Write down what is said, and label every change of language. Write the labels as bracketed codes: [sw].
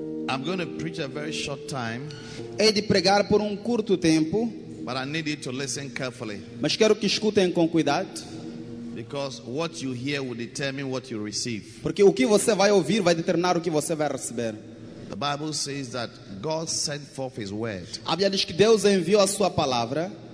[en] I'm going to preach a very short time. [pt] Hei de pregar por curto tempo. [en] But I need you to listen carefully. [pt] Mas quero que escutem com cuidado. [en] Because what you hear will determine what you receive. [pt] Porque o que você vai ouvir vai determinar o que você vai receber. [en] The Bible says that God sent forth his word. [pt] A Bíblia diz que Deus enviou a sua palavra.